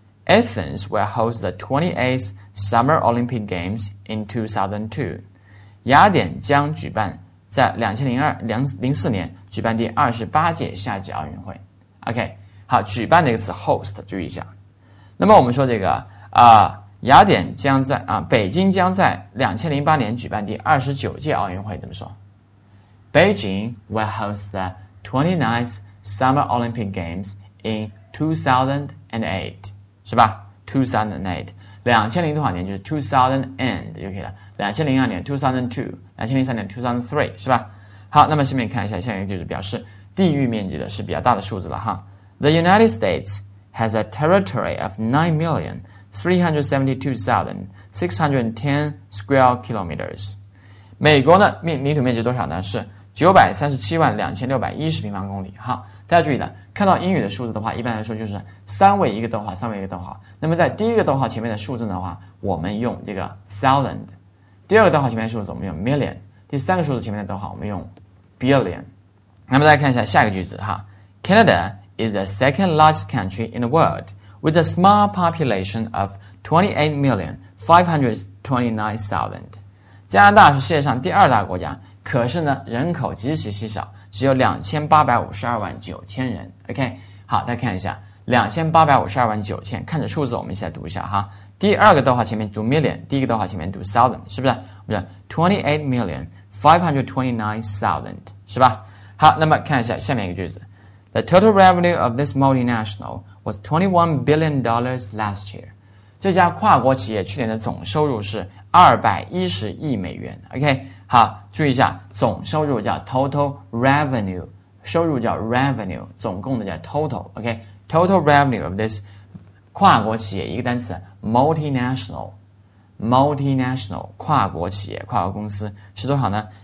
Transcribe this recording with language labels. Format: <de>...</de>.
<en>Athens will host the 28th Summer Olympic Games in 2002.</en> <zh>雅典将举办在2004年举办第28届夏季奥运会。 OK, 好，举办这个词 host, 注意一下。那么我们说这个雅典将在北京将在2008年举办第29届奥运会，怎么说？</zh> <en>Beijing will host the 29th Summer Olympic Games in 2008, 是吧？</en> <zh>2008, 2000多少年，就是 2000 and 就可以了。 2002年 2002, 2003年 2003, 是吧？好，那么下面看一下，下面就是表示地域面积的，是比较大的数字了哈。</zh> <en>The United States has a territory of 9,372,610 square kilometers.</en> <zh>美国的领土面积多少呢？是9,372,610平方公里。好，大家注意的，看到英语的数字的话，一般来说就是三位一个逗号，三位一个逗号。那么在第一个逗号前面的数字的话，我们用这个 thousand。第二个逗号前面的数字我们用 million。第三个数字前面的逗号我们用 billion。那么大家看一下下一个句子哈。</zh> <en>Canada is the second largest country in the world. With a small population of 28,529,000.</en> <zh>加拿大是世界上第二大国家，可是呢人口极其稀少，只有2,852,900人。 OK, 好，再看一下 ,2,852,900, 看着数字我们一起来读一下哈。第二个逗号前面读 million, 第一个逗号前面读 thousand, 是不是？不是 ,28,529,000, 是吧？好，那么看一下下面一个句子。</zh> <en>The total revenue of this multinational was $21 billion last year.</en> <zh>这家跨国企业去年的总收入是210亿美元。 OK, 好，注意一下，总收入叫 total revenue, 收入叫 revenue, 总共的叫 total, OK,</zh> <en>total revenue of this</en> <zh>跨国企业，一个单词 multinational, multinational, 跨国企业，跨国公司是多少呢？</zh>